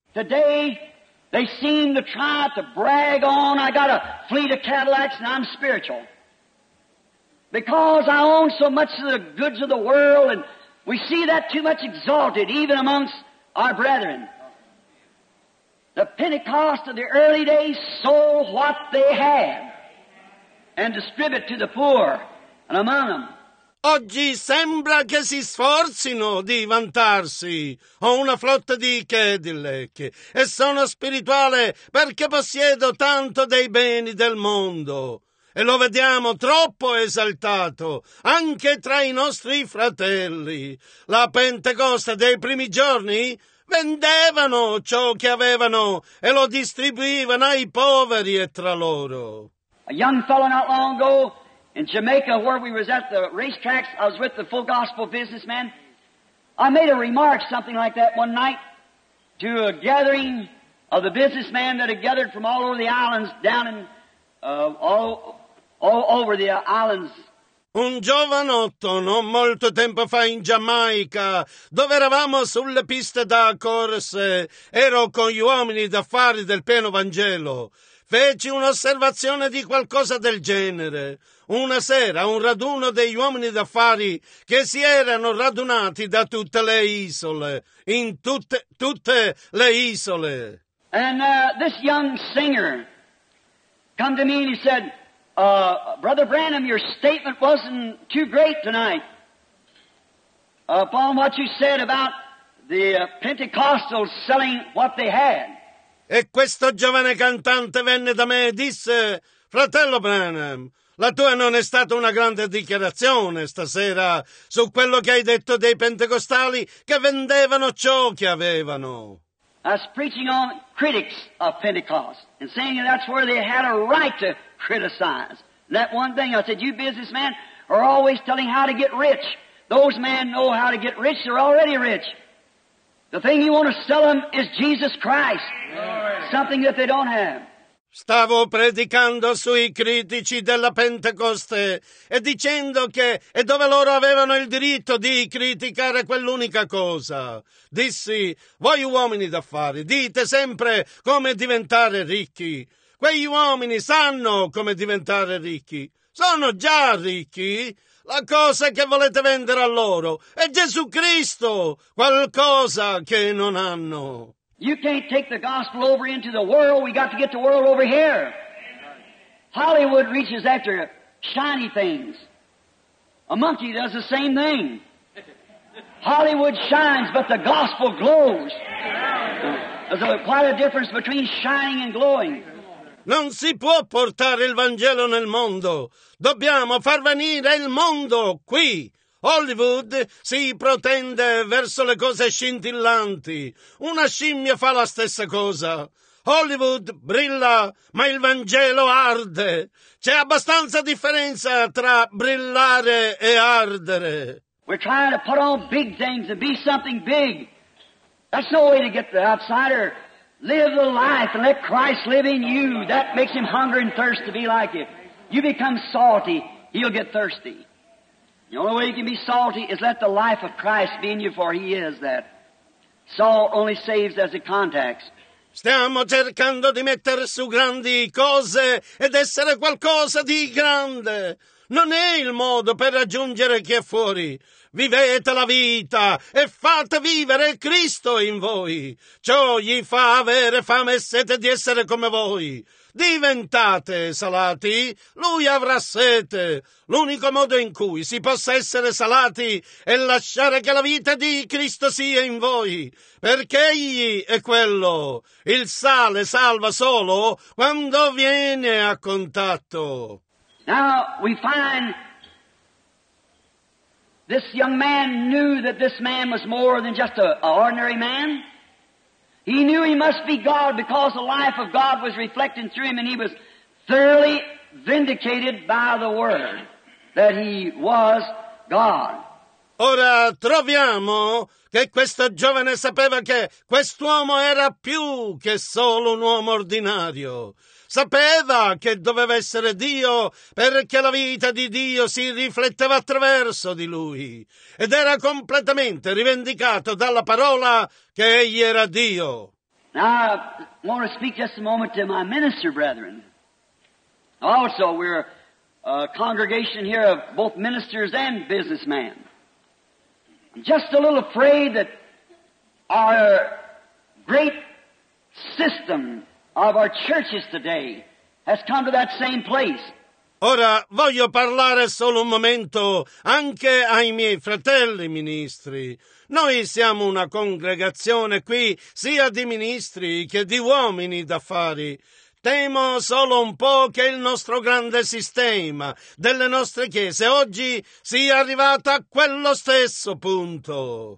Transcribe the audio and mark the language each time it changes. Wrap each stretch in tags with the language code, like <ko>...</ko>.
<en>Today they seem to try to brag on, I got a fleet of Cadillacs and I'm spiritual. Because I own so much of the goods of the world and we see that too much exalted, even amongst our brethren. The Pentecost of the early days sold what they had and distributed to the poor and among them.</en> <it>Oggi sembra che si sforzino di vantarsi. Ho una flotta di Cadillac e sono spirituale perché possiedo tanto dei beni del mondo. E lo vediamo troppo esaltato anche tra i nostri fratelli. La Pentecoste dei primi giorni vendevano ciò che avevano e lo distribuivano ai poveri e tra loro.</it> <en>A young fellow not long ago in Jamaica where we was at the racetracks, I was with the full gospel businessman. I made a remark something like that one night to a gathering of the businessmen that had gathered from all over the islands down in all over the islands.</en> <it>Un giovanotto non molto tempo fa in Giamaica, dove eravamo sulle piste da corse, ero con gli uomini d'affari del pieno Vangelo. Feci un'osservazione di qualcosa del genere. Una sera un raduno degli uomini d'affari che si erano radunati da tutte le isole, in tutte le isole.</it> <en>And this young singer come to me and he said, Brother Branham, your statement wasn't too great tonight upon what you said about the Pentecostals selling what they had.</en> <it>E questo giovane cantante venne da me e disse, Fratello Branham, la tua non è stata una grande dichiarazione stasera su quello che hai detto dei pentecostali che vendevano ciò che avevano.</it> <en>I was preaching on critics of Pentecost and saying that's where they had a right to criticize. And that one thing, I said, you businessmen are always telling how to get rich. Those men know how to get rich. They're already rich. The thing you want to sell them is Jesus Christ, something that they don't have.</en> <it>Stavo predicando sui critici della Pentecoste e dicendo che e dove loro avevano il diritto di criticare quell'unica cosa. Dissi, voi uomini d'affari, dite sempre come diventare ricchi. Quegli uomini sanno come diventare ricchi. Sono già ricchi. La cosa che volete vendere a loro è Gesù Cristo, qualcosa che non hanno.</it> <en>You can't take the gospel over into the world. We got to get the world over here. Hollywood reaches after shiny things. A monkey does the same thing. Hollywood shines, but the gospel glows. Quite a difference between shining and glowing.</en> <it>Non si può portare il Vangelo nel mondo. Dobbiamo far venire il mondo qui. Hollywood si protende verso le cose scintillanti. Una scimmia fa la stessa cosa. Hollywood brilla, ma il Vangelo arde. C'è abbastanza differenza tra brillare e ardere.</it> <en>We're trying to put on big things and be something big. That's no way to get the outsider. Live the life and let Christ live in you. That makes him hunger and thirst to be like it. You become salty, he'll get thirsty. The only way you can be salty is let the life of Christ be in you, for he is that. Salt only saves as it contacts.</en> <it>Stiamo cercando di mettere su grandi cose ed essere qualcosa di grande. Non è il modo per raggiungere chi è fuori. Vivete la vita e fate vivere Cristo in voi. Ciò gli fa avere fame e sete di essere come voi. Diventate salati, lui avrà sete. L'unico modo in cui si possa essere salati è lasciare che la vita di Cristo sia in voi, perché egli è quello. Il sale salva solo quando viene a contatto.</it> <en>Now we find this young man knew that this man was more than just an ordinary man. He knew he must be God because the life of God was reflecting through him, and he was thoroughly vindicated by the word that he was God.</en> <it>Ora troviamo che questo giovane sapeva che quest'uomo era più che solo un uomo ordinario. Sapeva che doveva essere Dio perché la vita di Dio si rifletteva attraverso di lui ed era completamente rivendicato dalla parola che egli era Dio.</it> <en>Now, I want to speak just a moment to my minister brethren. Also, we're a congregation here of both ministers and businessmen. I'm just a little afraid that our great system of our churches today has come to that same place.</en> <it>Ora voglio parlare solo un momento anche ai miei fratelli ministri. Noi siamo una congregazione qui sia di ministri che di uomini d'affari. Temo solo un po' che il nostro grande sistema delle nostre chiese oggi sia arrivato a quello stesso punto.</it>